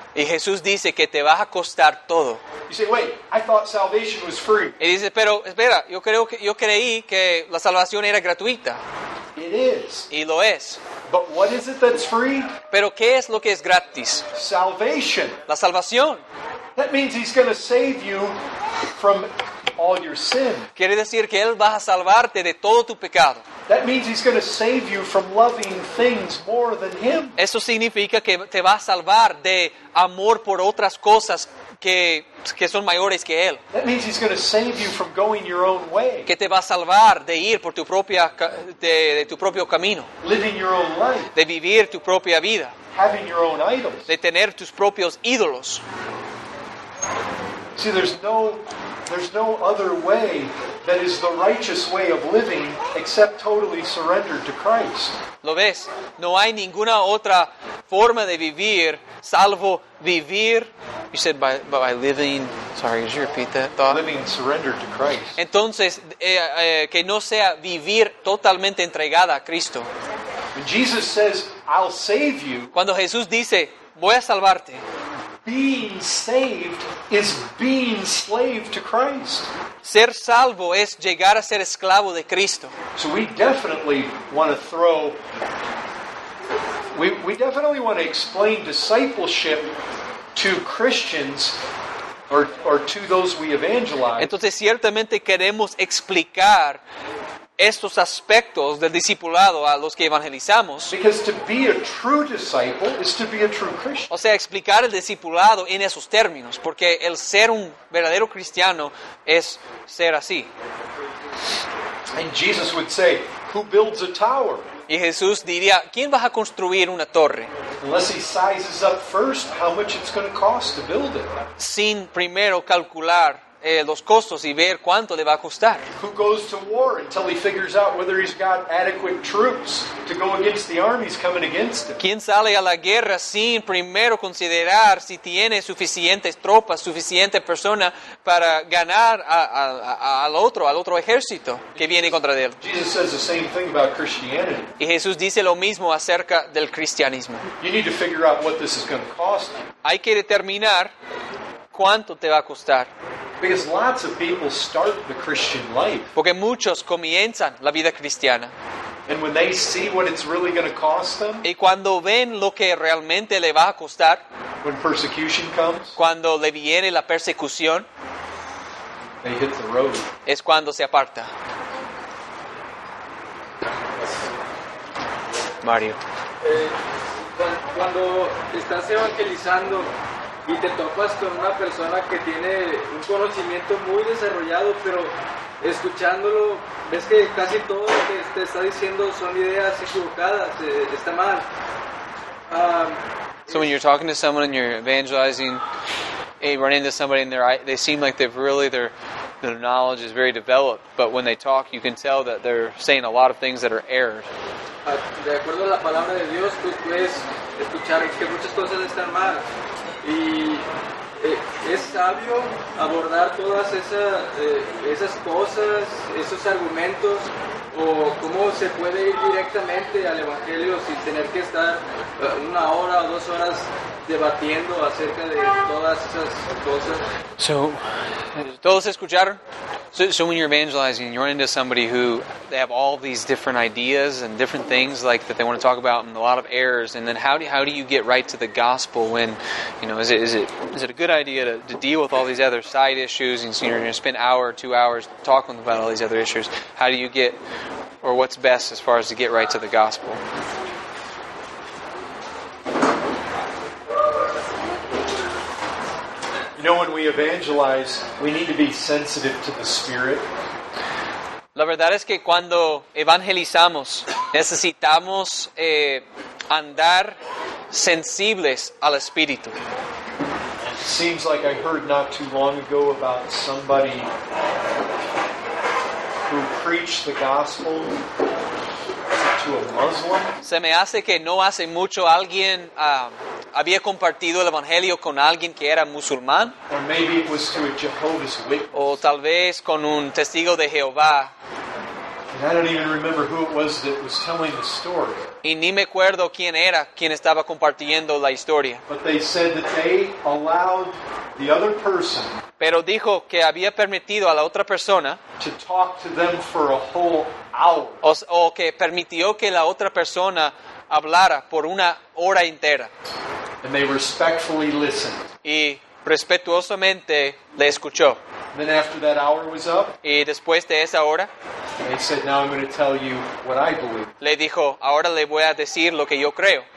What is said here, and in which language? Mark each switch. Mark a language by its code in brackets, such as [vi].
[es] Y Jesús dice que te vas a costar todo. [en] You say, wait, I thought salvation was free. [es] Y dice, pero espera, yo creí que la salvación era gratuita. [en] It is. [es] Y lo es. [en] But what is it that's free? [es] Pero ¿qué es lo que es gratis? [en] Salvation. [es] La salvación. [en] That means he's going to save you from all your sin. [es] Quiere decir que él va a salvarte de todo tu pecado. [en] That means he's going to save you from loving things more than him. [es] Eso significa que te va a salvar de amor por otras cosas que son mayores que él. [en] That means he's going to save you from going your own way. [es] Que te va a salvar de ir por tu propia de tu propio camino. [en] Living your own life. [es] De vivir tu propia vida. [en] Having your own idols. [es] De tener tus propios ídolos. [en] See, there's no other way that is the righteous way of living except totally surrendered to Christ. [es] ¿Lo ves? No hay ninguna otra forma de vivir salvo vivir. [en] You said by living. Sorry, did you repeat that thought? Living surrendered to Christ. [es] Entonces, que no sea vivir totalmente entregada a Cristo. [en] When Jesus says, "I'll save you." [es] Cuando Jesús dice, "Voy a salvarte." [en] Being saved is being slave to Christ. [es] Ser salvo es llegar a ser esclavo de Cristo. [en] So we definitely want to explain discipleship to Christians or to those we evangelize. [es] Entonces ciertamente queremos explicar estos aspectos del discipulado a los que evangelizamos. [en] Because to be a true disciple is to be a true Christian. [es] O sea, explicar el discipulado en esos términos, porque el ser un verdadero cristiano es ser así. [en] And Jesus would say, who builds a tower? [es] Y Jesús diría, ¿quién va a construir una torre? [en] Unless he sizes up first how much it's going to cost to build it. [es] Sin primero calcular los costos y ver cuánto le va a costar. [en] Who goes to war until he figures out whether he's got adequate troops to go against the armies coming against him? [es] ¿Quién sale a la guerra sin primero considerar si tiene suficientes tropas, suficiente persona para ganar al otro ejército que viene contra él? [en] Jesus says the same thing about Christianity. [es] Y Jesús dice lo mismo acerca del cristianismo. [en] You need to figure out what this is going to cost. [es] Hay que determinar cuánto te va a costar. [en] Because lots of people start the Christian life. [es] Porque muchos comienzan la vida cristiana. [en] And when they see what it's really going to cost them. [es] Y cuando ven lo que realmente le va a costar. [en] When persecution comes. [es] Cuando le viene la persecución. [en] They hit the road. [es] Es cuando se aparta. Mario. Cuando estás evangelizando. Y te topas con una persona que tiene un conocimiento muy desarrollado, pero escuchándolo, ves que casi todo lo que te está diciendo son ideas equivocadas, está mal. [en] So when you're talking to someone and you're evangelizing, and you run into somebody and they seem like they've really, their knowledge is very developed, but when they talk, you can tell that they're saying a lot of things that are errors. [es] De acuerdo a la palabra de Dios, tú puedes escuchar que muchas cosas están mal. Y es sabio abordar todas esas cosas, esos argumentos, o cómo se puede ir directamente al Evangelio sin tener que estar una hora o dos horas debatiendo acerca de todas esas cosas. So, ¿todos escucharon? [en] So when you're evangelizing, you run into somebody who they have all these different ideas and different things like that they want to talk about and a lot of errors, and then how do you get right to the gospel when, you know, is it a good idea to deal with all these other side issues and so you're going to spend hour or 2 hours talking about all these other issues? How do you get, or what's best as far as to get right to the gospel? You know, when we evangelize, we need to be sensitive to the Spirit. [es] La verdad es que cuando evangelizamos, necesitamos andar sensibles al Espíritu. [en] It seems like I heard not too long ago about somebody who preached the gospel to a Muslim. [es] Se me hace que no hace mucho alguien había compartido el evangelio con alguien que era musulmán. [en] Or maybe it was to a Jehovah's Witness. [es] O tal vez con un testigo de Jehová. [en] And I don't even remember who it was that was telling the story. [es] Y ni me acuerdo quién era quien estaba compartiendo la historia. [en] But they said that they allowed the other person. [es] Pero dijo que había permitido a la otra persona [en] to talk to them for a whole hour. [es] O que permitió que la otra persona hablara por una hora entera. [en] And they respectfully listened. [es] Y respetuosamente le escuchó. [en] And then after that hour was up, [es] y después de esa hora, [en] they said, "Now I'm going to tell you what I believe." [es] Le dijo, "Ahora le voy a decir lo que yo creo."